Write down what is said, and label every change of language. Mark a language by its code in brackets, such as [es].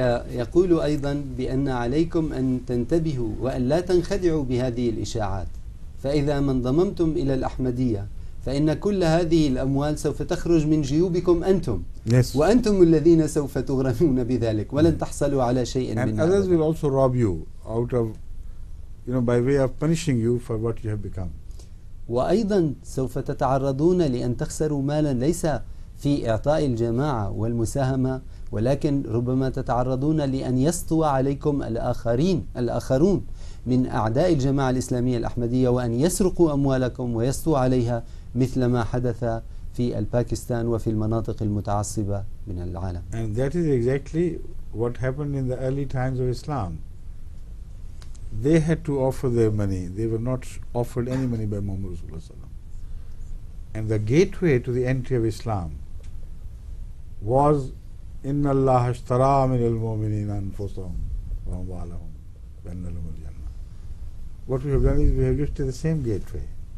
[ar] يقول أيضا بأن عليكم أن تنتبهوا وأن لا تنخدعوا بهذه الإشاعات، فإذا ما انضممتم إلى الأحمدية فإن كل هذه الأموال سوف تخرج من جيوبكم أنتم، [en] yes. [ar] وأنتم الذين سوف تغرمون بذلك ولن تحصلوا على شيء [en] And [ar] من [en] others [ar] هذا. [en] will also rob you out of you know by way of punishing you for what you have become. [ar] وأيضا سوف تتعرضون لأن تخسروا مالا ليس في إعطاء الجماعة والمساهمة، ولكن ربما تتعرضون لأن يسطو عليكم الآخرون من أعداء الجماعة الإسلامية الأحمدية وأن يسرقوا أموالكم ويسطو عليها مثل ما حدث في الباكستان وفي المناطق المتعصبة من العالم. [en] And that is exactly what happened in the early times of Islam. They had to offer their money. They were not offered any money by Muhammad [ar] صلى الله عليه وسلم. [en] And the gateway to the entry of Islam was [ar] إن الله اشترى من المؤمنين أنفسهم ورضى لهم بأن لهم الجنة. [en] What we have done is we have used the same gateway.